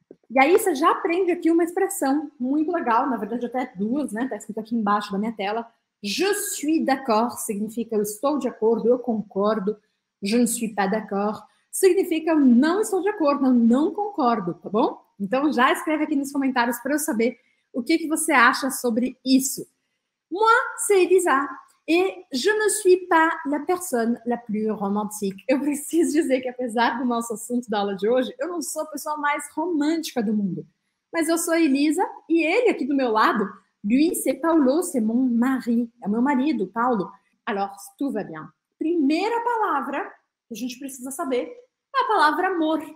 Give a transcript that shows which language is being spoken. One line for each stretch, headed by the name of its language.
Portuguese: E aí você já aprende aqui uma expressão muito legal, na verdade até duas, né? Está escrito aqui embaixo da minha tela.
French: Je suis d'accord
Portuguese: significa eu estou de acordo, eu concordo.
French: Je ne suis pas d'accord
Portuguese: significa eu não estou de acordo, eu não concordo, tá bom? Então já escreve aqui nos comentários para eu saber o que você acha sobre isso.
French: Moi, c'est Elisa. Et je ne suis pas la personne la plus romantique.
Portuguese: Eu preciso dizer que apesar do nosso assunto da aula de hoje, eu não sou a pessoa mais romântica do mundo. Mas eu sou a Elisa e ele aqui do meu lado,
French: lui, c'est Paulo, c'est mon mari.
Portuguese: É meu marido, Paulo.
French: Alors, tout va bien.
Portuguese: Primeira palavra que a gente precisa saber é a palavra amor.